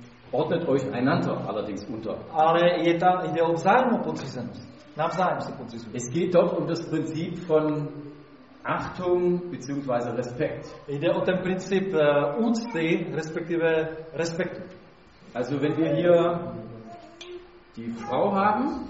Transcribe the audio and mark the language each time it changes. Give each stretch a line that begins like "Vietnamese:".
German: Ordnet euch einander allerdings unter.
Czech: Ale je tam ide o vzájemnou podřízenost. Navzájem se podřizujeme.
German: Es geht dort um das Prinzip von Achtung bzw. Respekt.
Czech: Ide o ten princip úcty, respektive respektu.
German: Also wenn wir hier die Frau haben,